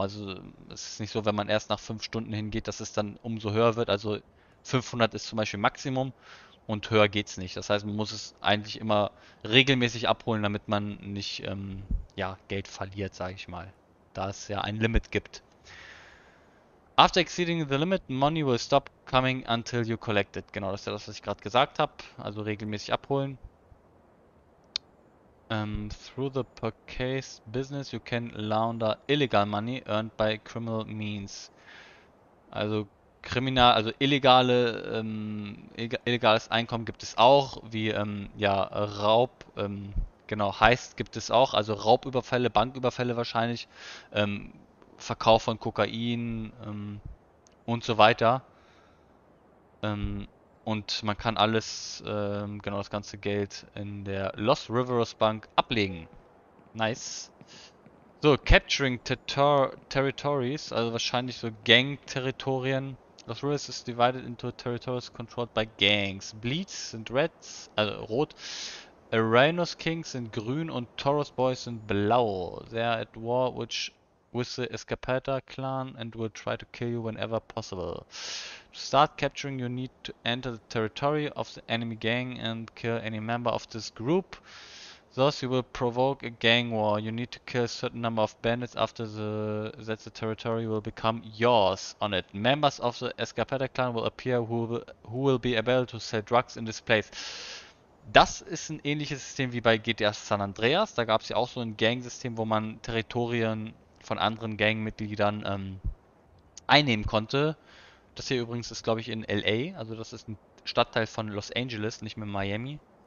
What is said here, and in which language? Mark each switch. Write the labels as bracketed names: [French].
[German] Also es ist nicht so, wenn man erst nach 5 Stunden hingeht, dass es dann umso höher wird. Also 500 ist zum Beispiel Maximum und höher geht's nicht. Das heißt, man muss es eigentlich immer regelmäßig abholen, damit man nicht ja, Geld verliert, sage ich mal. Da es ja ein Limit gibt. [English] After exceeding the limit, money will stop coming until you collect it. [German] Genau, das ist ja das, was ich gerade gesagt habe. Also regelmäßig abholen. [English] Through the purchase business you can launder illegal money earned by criminal means. [German] Also illegales Einkommen gibt es auch, wie ja Raub, genau, Heist gibt es auch, also Raubüberfälle, Banküberfälle wahrscheinlich, Verkauf von Kokain und so weiter. Und man kann alles, genau das ganze Geld in der Los Rivers Bank ablegen. Nice. So, Capturing Territories, also wahrscheinlich so Gang-Territorien. [English] Los Ruiz is divided into territories controlled by gangs. [German] Bleeds sind Reds, also rot. Arenos Kings sind grün und Toros Boys sind blau. [English] They are at war with the Escapada Clan and will try to kill you whenever possible. To start capturing, you need to enter the territory of the enemy gang and kill any member of this group. Thus, you will provoke a gang war. You need to kill a certain number of bandits after the territory will become yours on it. Members of the Escapada Clan will appear who will be able to sell drugs in this place. [German] Das ist ein ähnliches System wie bei GTA San Andreas. Da gab es ja auch so ein Gang-System, wo man Territorien von anderen Gangmitgliedern einnehmen konnte. Das hier übrigens ist, glaube ich, in LA. Also das ist ein Stadtteil von Los Angeles, nicht mehr Miami.